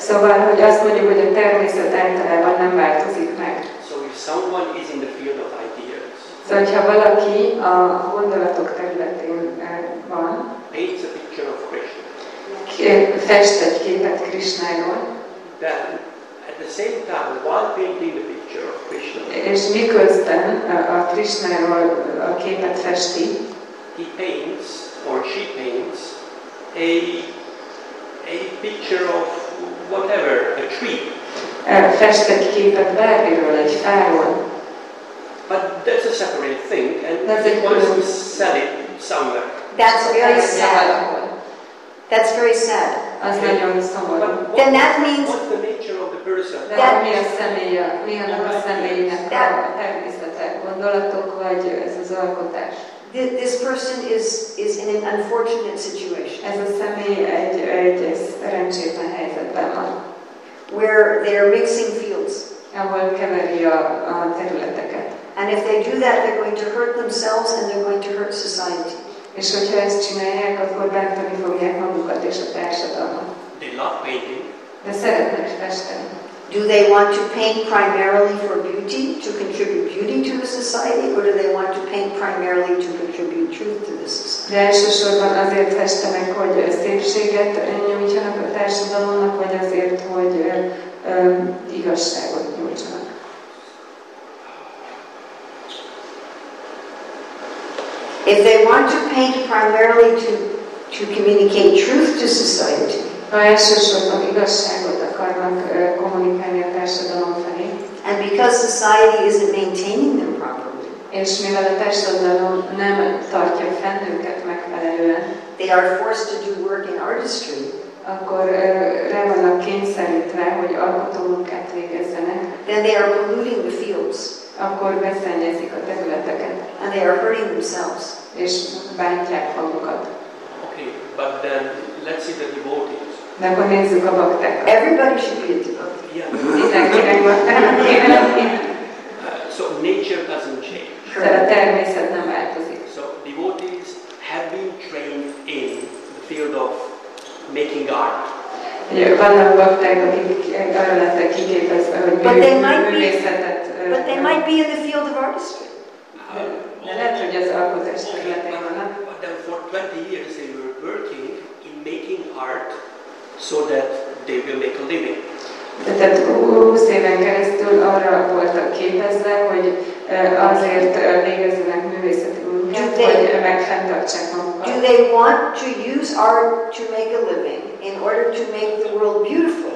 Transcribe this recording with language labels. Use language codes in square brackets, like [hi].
[hu] Szóval, hogy azt mondjuk, hogy a természet általában nem változik meg. [en] So if someone is in the field of ideas. [hu] Szóval, hogyha valaki a gondolatok területén van. [en] Paints a picture of Krishna. [hu] Fest egy képet Krishnáról. [en] Then, at the same time, while painting the picture of Krishna. [hu] És miközben a Krishnáról a képet festi. [en] He paints, or she paints, a picture of whatever, a tree. [hu] Fest egy képet bármiről, egy fáról. [en] But that's a separate thing, and he wants to sell it somewhere. That's very sad. That's very sad. [hu] Az nagyon szomorú. [en] Then that means... What's the nature of the person? [hu] That mi a személye, mi annak a személynek a természete, gondolatok, vagy ez az alkotás. [en] This person is in an unfortunate situation. [hu] Ez a személy egy szerencsétlen helyzetben van. [en] Where they are mixing fields. [hu] Ahol keveri a területeket. [en] And if they do that, they're going to hurt themselves and they're going to hurt society. [hu] És hogyha ezt csinálják, akkor bántani fogják magukat és a társadalmat. [en] They love painting. [hu] De szeretnek festeni. [en] Do they want to paint primarily for beauty, to contribute beauty to the society, or do they want to paint primarily to contribute truth to the society? [hu] De elsősorban azért festenek, hogy szépséget nyújtsanak a társadalomnak, vagy azért, hogy igazságot nyújtsanak. [en] If they want to paint primarily to communicate truth to society, [hu] ha elsősorban igazságot akarnak kommunikálni a társadalom felé, [en] and because society isn't maintaining them properly, [hu] és mivel a társadalom nem tartja fenn őket megfelelően, [en] they are forced to do work in artistry, [hu] akkor rá vannak kényszerítve, hogy alkotó munkát végezzenek, [en] then they are polluting the fields, [hu] akkor veszennyezik a területeket. [en] And they are hurting themselves. [hu] És bántják magukat. [en] Okay, but then let's see the devotees. [hu] De akkor nézzük a baktákat. [en] Everybody should be a devotee. Yeah. So nature doesn't change. [hu] Tehát a természet nem változik. [en] So devotees have been trained in the field of making art. [hu] Vannak bakták, akik arra lettek kiképezve, hogy művészetet. [en] But they might be in the field of artistry. [hu] Lehet, hogy az alkotás területén vannak. [en] But then for 20 years they were working in making art so that they will make a living. [hu] Tehát 20 éven keresztül arra voltak képezve, hogy azért végezzenek művészeti munkát, hogy megfenntartsák magukat. [en] Do they want to use art to make a living in order to make the world beautiful?